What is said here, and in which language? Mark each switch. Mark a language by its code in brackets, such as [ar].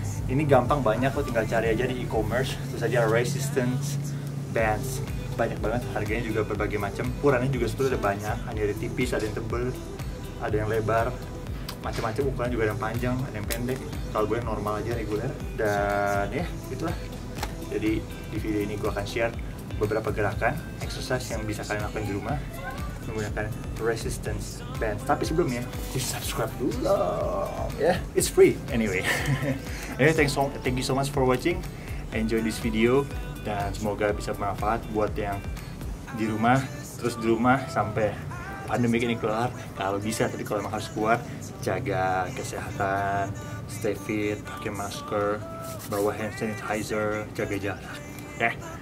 [id] Ini gampang, banyak kok, tinggal cari aja di e-commerce, terus aja resistance bands, banyak banget, harganya juga berbagai macam, ukurannya juga sebetulnya ada banyak, ada yang tipis, ada yang tebel, ada yang lebar, macam-macam ukuran juga, ada yang panjang, ada yang pendek, kalau gue yang normal aja, reguler, dan ya itulah. Jadi di video ini gue akan share beberapa gerakan exercise yang bisa kalian lakukan di rumah menggunakan resistance bands. Tapi sebelumnya, please subscribe dulu. [en] Yeah, it's free anyway. Anyway, thank you so much for watching. Enjoy this video [id] dan semoga bisa bermanfaat buat yang di rumah, terus di rumah sampai pandemi ini kelar. Kalau bisa, tapi kalau memang harus keluar, jaga kesehatan, stay fit, pakai masker, bawa hand sanitizer, jaga jarak. Yeah.